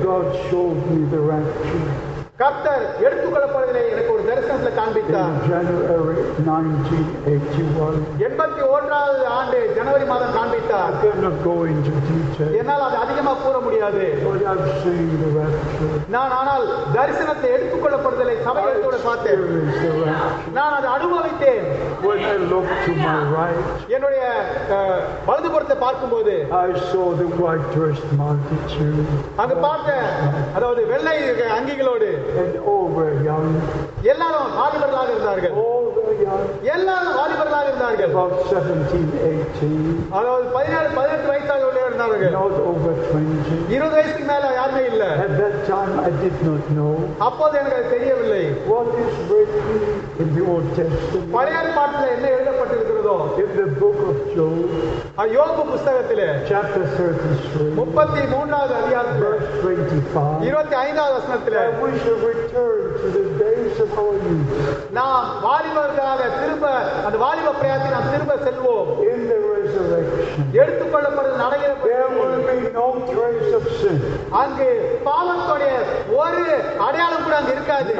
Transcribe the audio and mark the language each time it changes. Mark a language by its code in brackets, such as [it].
[en] God showed me the rapture. [ta] கர்த்தர் எடுத்துக்கொள்ளப்படுதலை எனக்கு ஒரு தரிசனத்தில் காண்பித்தார் [en] In January 1981 [ta] 81வது ஆண்டு ஜனவரி மாதம் காண்பித்தார் [en] I cannot go into detail [ta] என்னால் அது அதிகமாக கூற முடியாது [en] But I have seen the rapture [ta] நான் ஆனால் தரிசனத்தை எடுத்துக்கொள்ளப்படுதலை சபையோடு பார்த்தேன் நான் அதை அனுபவித்தேன் [en] When I looked to my right [ta] என்னுடைய வலதுபுறத்தை பார்க்கும்போது [en] I saw the white dressed multitude [ta] அங்க பார்த்தேன் அதாவது வெள்ளை அங்கிகளோடு [en] And over young [ta] எல்லாரும் வாலிபர்களாக இருந்தார்கள் எல்லாரும் வாலிபர்களாக இருந்தார்கள் [en] about 17-18 [ta] அதாவது 16-18 வயசாக உள்ள இருந்தார்கள் [en] not over 20 [ta] 20 வயசுக்கு மேல யாருமே இல்ல [en] at that time I did not know [ta] அப்போது எனக்கு தெரியவில்லை [en] what is written in the old testament [ta] பழைய ஏற்பாட்டில் என்ன எழுதப்பட்டிருக்கிறதோ [en] in the book of Job [ta] யோபு புத்தகத்திலே [en] chapter 33 [ta] 33வது அதிகாரம் [en] verse 25 [ta] 25வது வசனத்திலே [en] we should return to the days of our youth [ta] நாம் வாலிபர்களாக திரும்ப அந்த வாலிப பிரயாணத்தை நாம் திரும்ப செல்வோம் [en] in the resurrection [ta] எடுத்துக்கொள்ளப்படும் நடையில் [en] there will be no trace of sin [ta] அங்கே பாவத்தோட ஒரு அடையாளம் கூட அங்கே இருக்காது